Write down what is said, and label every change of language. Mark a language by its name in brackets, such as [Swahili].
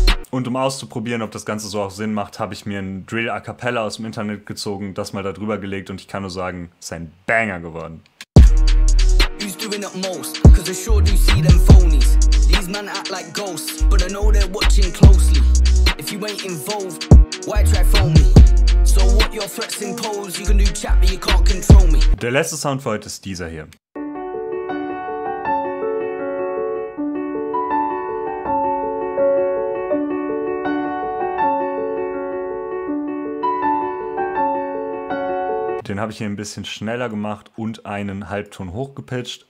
[German] Und um auszuprobieren, ob das Ganze so auch Sinn macht, habe ich mir ein Drill a cappella aus dem Internet gezogen, das mal da drüber gelegt und ich kann nur sagen, es ist ein Banger geworden. [English] Who's doing it most? Cause I sure do see them phonies. These men act like ghosts, but I know they're watching closely. If you ain't involved, why try phone me? So what your threats impose, you can do chat, but you can't control me. [German] Der letzte Sound für heute ist dieser hier. Den habe ich hier ein bisschen schneller gemacht und einen Halbton hochgepitcht.